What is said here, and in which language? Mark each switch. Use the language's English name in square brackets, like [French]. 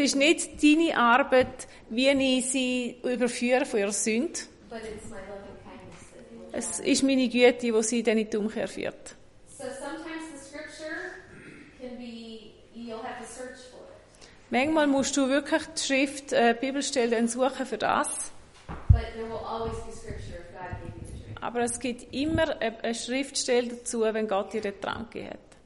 [German] Es ist nicht deine Arbeit, wie ich sie überführe von ihrer Sünde. [English] But it's my loving kindness. [German] Es ist meine Güte, die sie dann in die Umkehr führt. [English] So sometimes the scripture can be, you'll have to search for it. [German] Manchmal musst du wirklich die Schrift, die Bibelstelle dann suchen für das. [English] But there will always be scripture if God gave you. [German] Aber es gibt immer eine Schriftstelle dazu, wenn Gott dir den Traum gegeben hat.